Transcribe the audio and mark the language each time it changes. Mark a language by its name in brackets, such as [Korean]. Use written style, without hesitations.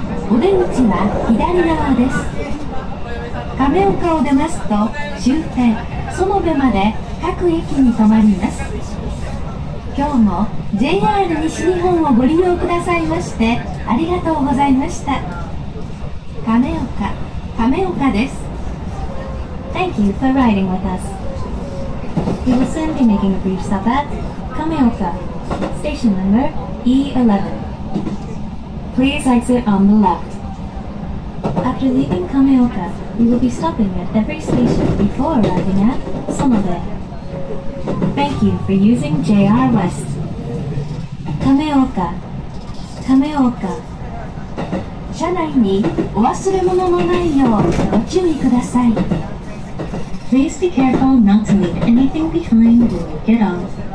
[Japanese] お出口は左側です。亀岡を出ますと終点園部まで各駅に停まります。今日も JR 西日本をご利用くださいましてありがとうございました。亀岡です。 [English] Thank you for riding with us. We will soon be making a brief stop at 亀岡, station number E11. Please exit on the left. After leaving 亀岡, we will be stopping at every station before arriving at 園部. Thank you for using JR West. 亀岡. [Japanese] 車内にお忘れ物のないようご注意ください。 [English] Please be careful not to leave anything behind when you get off.